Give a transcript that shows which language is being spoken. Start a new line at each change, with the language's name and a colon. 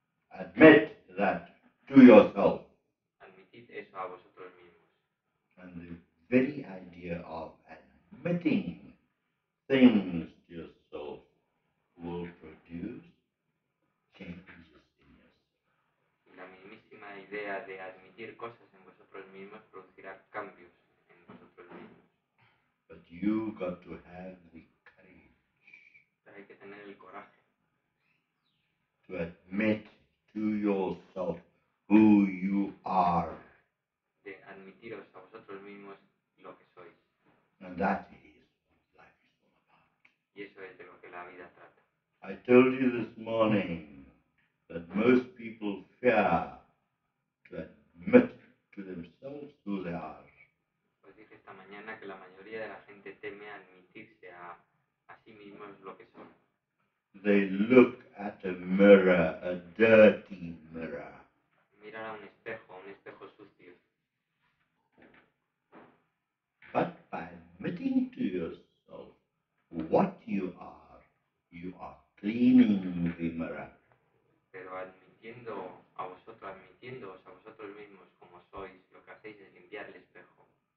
English: Admit that to yourself.
Spanish: Admitid eso a vosotros mismos.
English: And the very idea of admitting things to yourself will produce changes in yourself.
Spanish: La mismísima idea de admitir cosas en vosotros mismos producirá cambios en vosotros mismos.
English: But you've got to have the courage.
Spanish: Pero hay que tener el coraje.
English: To admit to yourself who you are.
Spanish: De admitiros a vosotros mismos lo que sois.
English: And that is what life is all about.
Spanish: Y eso es de lo que la vida trata.
English: I told you this morning that most people fear to admit to themselves who they are.
Spanish: Pues dije esta mañana que la mayoría de la gente teme admitirse a sí mismos lo que son.
English: They look at a mirror, a dirty mirror.
Spanish: Mirar a un espejo sucio.
English: But by admitting to yourself what you are cleaning the mirror.
Spanish: Pero admitiéndoos a vosotros mismos como sois, lo que hacéis es limpiar el espejo.